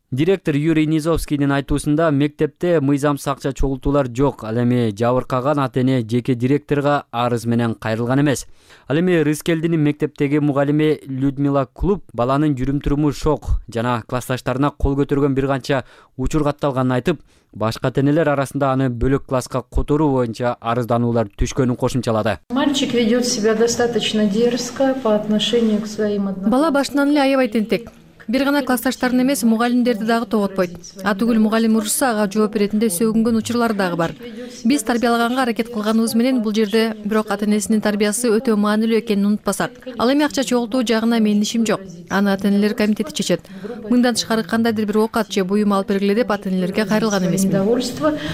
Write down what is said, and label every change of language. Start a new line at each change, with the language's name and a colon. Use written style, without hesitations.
Kyrgyz: Директор Юрий Низовскийдин айтуусунда мектепте мыйзамсыз акча чогултуулар жок, ал эми жабыркаган ата-эне жеке директорго арыз менен кайрылган эмес. Ал эми Рыскелдинин мектептеги мугалими Людмила Клуб баланын жүрүм туруму шок жана классташтарына кол көтөргөн бир канча учур катталганын айтып, башка ата-энелер арасында аны бөлөк класска которуу боюнча арызданууларды түшкөнүн кошумчалады.
Russian: Мальчик ведет себя достаточно дерзко по отношению к своим одноклассникам.
Kyrgyz: Бала башынан эле аябай тентек. Бир гана классташтарын эмес, мугалимдерди дагы тоготпойт. Атүгүл мугалим урушса, ага жооп иретинде сөгүнгөн учурлар дагы бар. Биз тарбиялаганга аракет кылганыбыз менен бул жерде бирок ата-энесинин тарбиясы өтө маанилүү экенин унутпасак. Ал эми акча чогултуу жагына менин ишим жок. Аны ата-энелер комитети чечет. Мындан тышкары кандайдыр бир оокат же буюм алып бергиле деп ата-энелерге кайрылган эмесмин.